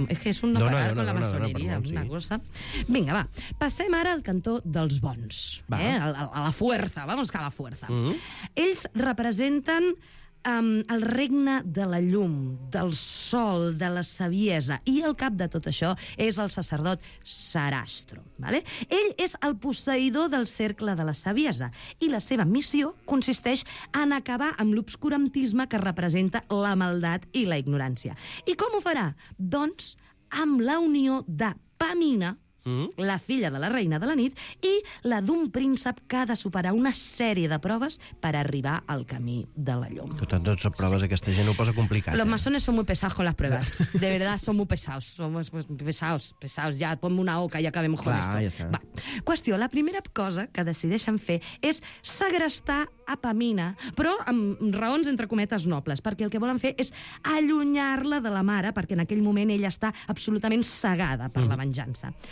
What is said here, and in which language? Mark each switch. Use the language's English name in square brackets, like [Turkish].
[Catalan] És que és un no parar amb la maçoneria, una cosa. Vinga, va, passem ara al cantó dels bons. Va. [Spanish] A la fuerza, vamos que a la fuerza. [Catalan] Ells representen el regne de la llum, del sol, de la saviesa, i el cap de tot això és el sacerdot Sarastro. ¿Vale? Ell és el posseïdor del cercle de la saviesa, i la seva missió consisteix en acabar amb l'obscurantisme que representa la maldat i la ignorància. I com ho farà? Doncs amb la unió de Pamina, la filla de la reina de la nit, i la d'un príncep que ha de superar una sèrie de proves per arribar al camí de la llum. Tot en tot són proves, sí. Aquesta gent ho posa complicat. [Spanish] Los masones son muy pesados con las pruebas. De verdad, son muy pesados. Somos pesados. Ya, ponme una oca y acabemos con esto. [Catalan] Ja està. Va. Qüestió, la primera cosa que decideixen fer és segrestar a Pamina, però amb raons entre cometes nobles, perquè el que volen fer és allunyar-la de la mare, perquè en aquell moment ella està absolutament cegada per la venjança.